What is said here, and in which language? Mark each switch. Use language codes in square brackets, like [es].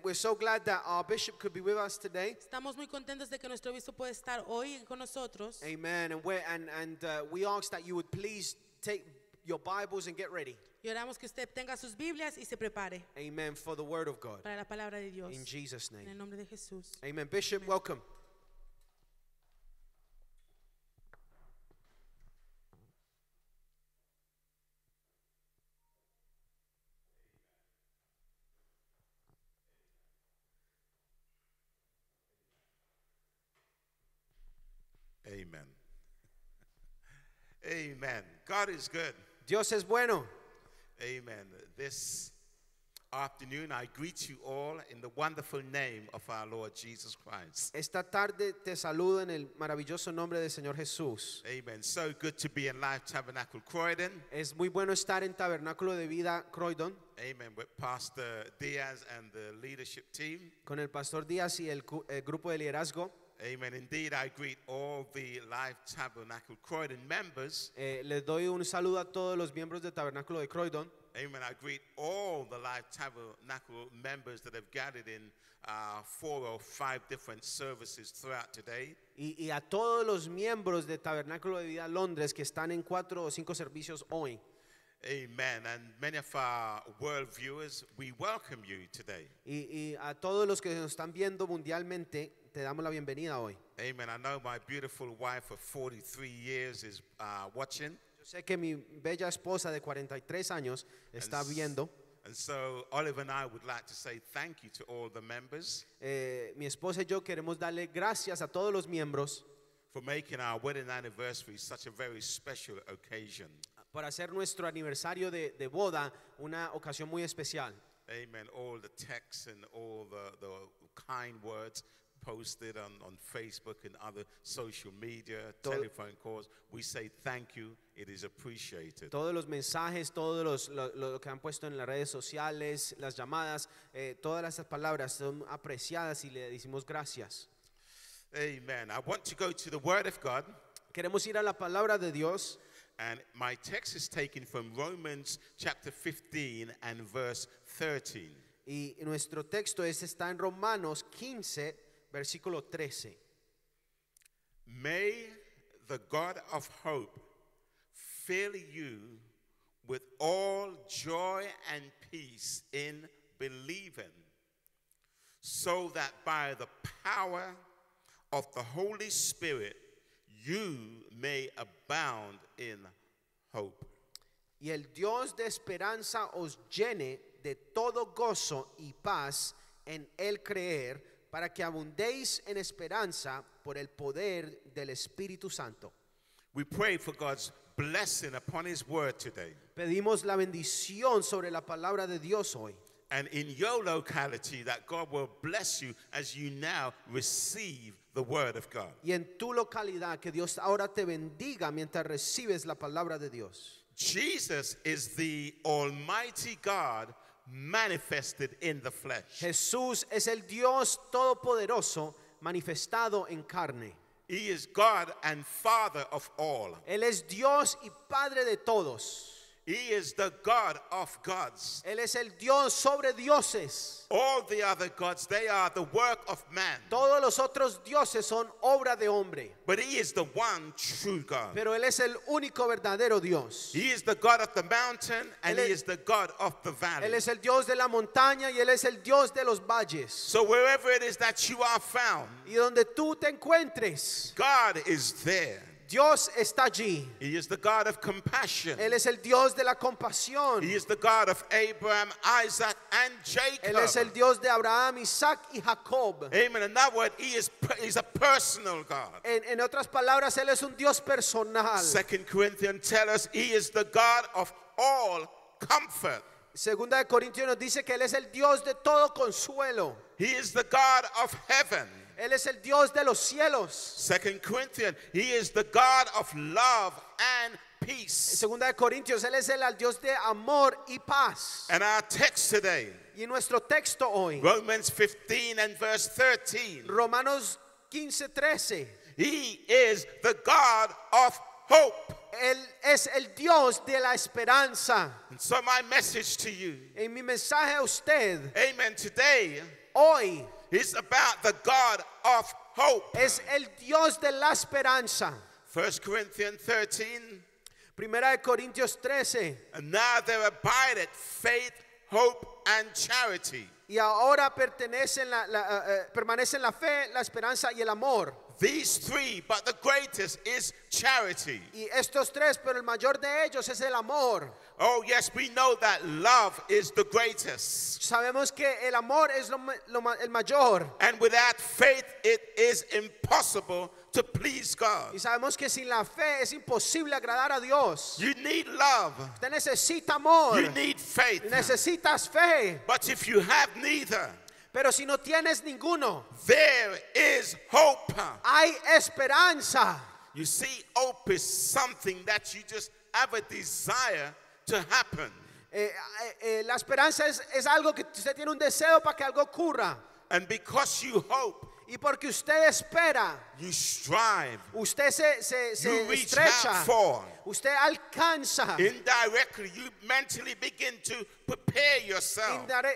[en] We're so glad that our bishop could be with us today. [es] Estamos muy contentos de que nuestro obispo puede estar hoy con nosotros. [en] Amen. And we ask that you would please take your Bibles and get ready. [es] Y oramos que usted tenga sus Biblias y se prepare. [en] Amen. For the word of God. [es] Para la palabra de Dios. [en] In Jesus' name. [es] En el nombre de Jesús. [en] Amen. Bishop, amen. Welcome. Amen. Amen. God is good. [es] Dios es bueno. [en] Amen. This afternoon, I greet you all in the wonderful name of our Lord Jesus Christ. [es] Esta tarde te saludo en el maravilloso nombre del Señor Jesús. [en] Amen. So good to be in Life Tabernacle Croydon. [es] Es muy bueno estar en Tabernáculo de Vida Croydon. [en] Amen. With Pastor Diaz and the leadership team. [es] Con el Pastor Diaz y el grupo de liderazgo. [en] Amen. Indeed, I greet all the Life Tabernacle Croydon members. [es] Les doy un saludo a todos los miembros de Tabernáculo de Croydon. [en] Amen. I greet all the Life Tabernacle members that have gathered in four or five different services throughout today. [es] Y a todos los miembros de Tabernáculo de Vida Londres que están en cuatro o cinco servicios hoy. [en] Amen. And many of our world viewers, we welcome you today. [es] Y a todos los que nos están viendo mundialmente, te damos la bienvenida hoy. [en] Amen. I know my beautiful wife of 43 years is watching. [es] Yo sé que mi bella esposa de 43 años está viendo. [en] And so Oliver and I would like to say thank you to all the members. [es] Mi esposa y yo queremos darle gracias a todos los miembros [en] for making our wedding anniversary such a very special occasion. [es] Para hacer nuestro aniversario de boda una ocasión muy especial. [en] Amen. All the texts and all the kind words posted on Facebook and other social media, telephone calls. We say thank you. It is appreciated. [es] Todos los mensajes, todos los lo que han puesto en las redes sociales, las llamadas, todas esas palabras son apreciadas y le decimos gracias. [en] Amen. I want to go to the Word of God. [es] Queremos ir a la palabra de Dios. [en] And my text is taken from Romans chapter 15 and verse 13. [es] Y nuestro texto está en Romanos 15. Versículo 13. [en] May the God of hope fill you with all joy and peace in believing, so that by the power of the Holy Spirit you may abound in hope. [es] Y el Dios de esperanza os llene de todo gozo y paz en el creer, para que abundéis en esperanza por el poder del Espíritu Santo. [en] We pray for God's blessing upon His word today. [es] Pedimos la bendición sobre la palabra de Dios hoy. [en] And in your locality, that God will bless you as you now receive the word of God. [es] Y en tu localidad, que Dios ahora te bendiga mientras recibes la palabra de Dios. [en] Jesus is the Almighty God manifested in the flesh. [es] Jesús es el Dios todopoderoso manifestado en carne. [en] He is God and Father of all. [es] Él es Dios y Padre de todos. [en] He is the God of gods. [es] Él es el Dios sobre dioses. [en] All the other gods, they are the work of man. [es] Todos los otros dioses son obra de hombre. [en] But he is the one true God. [es] Pero él es el único verdadero Dios. [en] He is the God of the mountain and he is the God of the valley. [es] Él es el Dios de la montaña y él es el Dios de los valles. [en] So wherever it is that you are found, [es] y donde tú te encuentres, [en] God is there. [es] Dios está allí. [en] He is the God of compassion. [es] Él es el Dios de la compasión. [en] He is the God of Abraham, Isaac, and Jacob. [es] Él es el Dios de Abraham, Isaac, y Jacob. [en] Amen. In that word, he is a personal God. [es] En otras palabras, Él es un Dios personal. [en] 2 Corinthians tell us He is the God of all comfort. [es] Segunda de Corintios nos dice que Él es el Dios de todo consuelo. [en] He is the God of heaven. [es] Él es el Dios de los cielos. [en] 2 Corinthians, He is the God of love and peace. [es] Segunda de Corintios, Él es el Dios de amor y paz. [en] And our text today. [es] Y nuestro texto hoy. [en] Romans 15 and verse 13. [es] Romanos 15, 13. [en] He is the God of hope. [es] Él es el Dios de la esperanza. [en] And so my message to you. [es] Y mi mensaje a usted. [en] Amen. Today. [es] Hoy. [en] It's about the God of hope. [es] Es el Dios de la esperanza. [en] 1 Corinthians 13. [es] Primera de Corintios 13. [en] And now there abideth faith, hope, and charity. [es] Y ahora permanecen la fe, la esperanza, y el amor. [en] These three, but the greatest is charity. [es] Y estos tres, pero el mayor de ellos es el amor. [en] Oh yes, we know that love is the greatest. [es] Sabemos que el amor es el mayor. [en] And without faith, it is impossible to please God. [es] Y sabemos que sin la fe es imposible agradar a Dios. [en] You need love. [es] Te necesita amor. [en] You need faith. [es] Necesitas fe. [en] But if you have neither. [es] Pero si no tienes ninguno. [en] There is hope. [es] Hay esperanza. [en] You see, hope is something that you just have a desire to happen. [es] La esperanza es algo que usted tiene un deseo para que algo ocurra. [en] And because you hope. [es] Y porque usted espera. [en] You strive. [es] Usted se estrecha. Usted alcanza. [en] Indirectly, you mentally begin to prepare yourself.